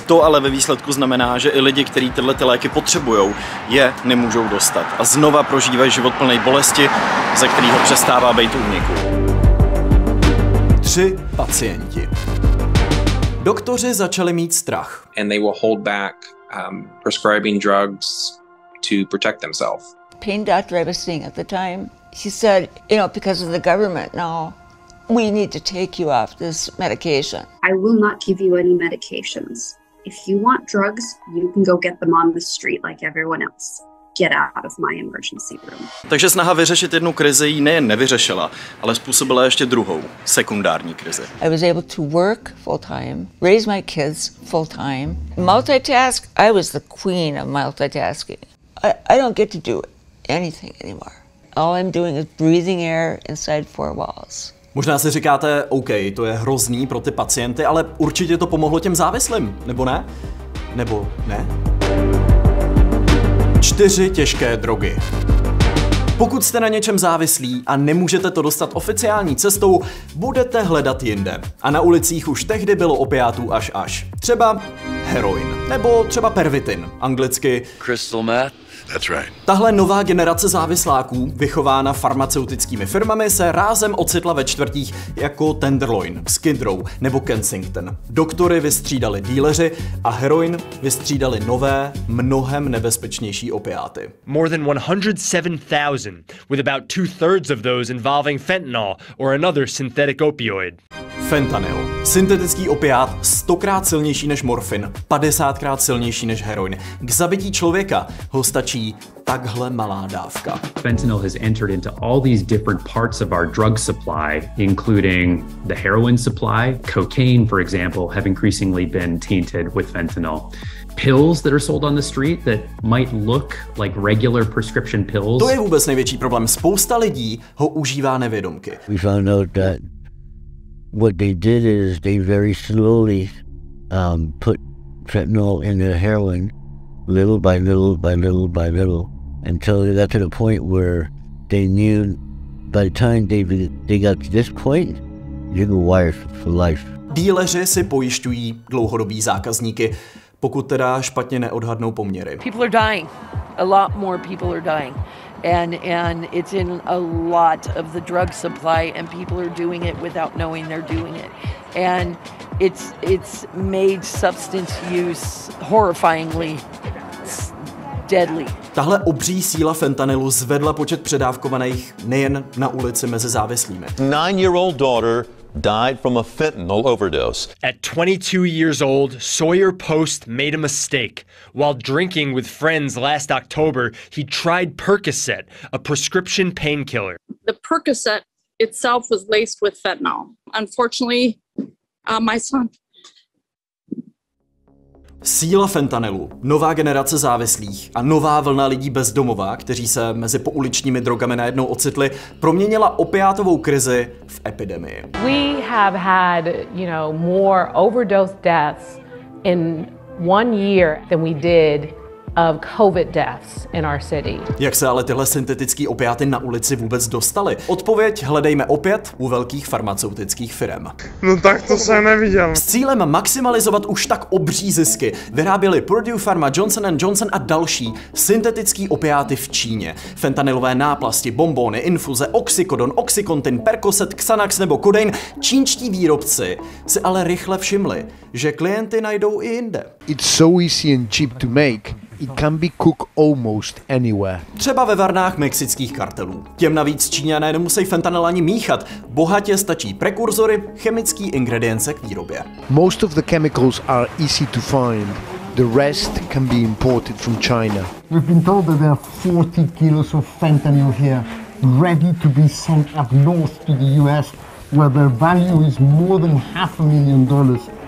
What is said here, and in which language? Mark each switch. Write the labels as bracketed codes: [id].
[cs] To ale ve výsledku znamená, že i lidi, kteří tyhle ty léky potřebují, je nemůžou dostat. A znova prožívají život plnej bolesti, ze kterého přestává být úniku. Tři pacienti. Doktoři začali mít strach. [en] And they will hold back prescribing drugs to protect themselves. Pain doctor I was seeing at the time, he said, you know, because of the government now, we need to take you off this medication. I will not give you any medications. If you want drugs, you can go get them on the street like everyone else. Get out of my emergency room. [cs] Takže snaha vyřešit jednu krizi ji nejen nevyřešila, ale způsobila ještě druhou, sekundární krizi. [en] I was able to work full time, raise my kids full time, multitask. I was the queen of multitasking. I don't get to do anything anymore. All I'm doing is breathing air inside four walls. [cs] Možná si říkáte, OK, to je hrozný pro ty pacienty, ale určitě to pomohlo těm závislým, nebo ne? nebo ne? 4 těžké drogy. Pokud jste na něčem závislí a nemůžete to dostat oficiální cestou, budete hledat jinde. A na ulicích už tehdy bylo opiátů až. Třeba heroin. Nebo třeba pervitin. Anglicky [en] crystal meth. That's right. [cs] Tahle nová generace závisláků, vychována farmaceutickými firmami, se rázem ocitla ve čtvrtích jako Tenderloin, Skid Row nebo Kensington. Doktory vystřídali díleři a heroin vystřídali nové, mnohem nebezpečnější opiáty. [en] More than 107,000, with about 2/3 of those involving fentanyl or another synthetic opioid. Fentanyl. [cs] Syntetický opiát 100x silnější než morfin, 50x silnější než heroin. K zabití člověka ho stačí takhle malá dávka. [en] Fentanyl has entered into all these different parts of our drug supply, including the heroin supply. Cocaine, for example, have increasingly been tainted with fentanyl. Pills that are sold on the street that might look like regular prescription pills. [cs] To je vůbec největší problém. Spousta lidí ho užívá nevědomky. [en] We found out that what they did is they very slowly put fentanyl in their heroin, little by little by little by little, until they got to the point where they knew by the time they got to this point, you were wired for life. [cs] Díleři si pojišťují dlouhodobí zákazníky, pokud teda špatně neodhadnou poměry. [en] People are dying. A lot more people are dying. And it's in a lot of the drug supply, and people are doing it without knowing they're doing it. And it's made substance use horrifyingly deadly. [cs] Tahle obří síla fentanylu zvedla počet předávkovaných nejen na ulici mezi závislými. [en] 9-year-old daughter died from a fentanyl overdose. At 22 years old, Sawyer Post made a mistake. While drinking with friends last October, he tried Percocet, a prescription painkiller. The Percocet itself was laced with fentanyl. Unfortunately, my son. [cs] Síla fentanylu, nová generace závislých a nová vlna lidí bez domova, kteří se mezi pouličními drogami najednou ocitli, proměnila opiátovou krizi v epidemii. [en] We have had, you know, more overdose deaths in one year than we did of COVID deaths in our city. [cs] Jak se ale tyhle syntetické opiáty na ulici vůbec dostaly? Odpověď hledejme opět u velkých farmaceutických firm. No tak to se neviděl. S cílem maximalizovat už tak obří zisky vyráběly Purdue Pharma, Johnson & Johnson a další syntetické opiáty v Číně. Fentanylové náplasti, bombóny, infuze, oxykodon, oxykontin, Percocet, Xanax nebo kodein. Čínští výrobci si ale rychle všimli, že klienty najdou i jinde. [en] It's so easy and cheap to make. It can be cooked almost anywhere. [cs] Třeba ve varnách mexických kartelů. Těm navíc Číňané nemusí fentanyl ani míchat. Bohatě stačí prekurzory, chemické ingredience k výrobě. [en] Most of the chemicals are easy to find. The rest can be imported from China. We've been told that there are 40 kilos of fentanyl here, ready to be sent up north to the US, where their value is more than $500,000.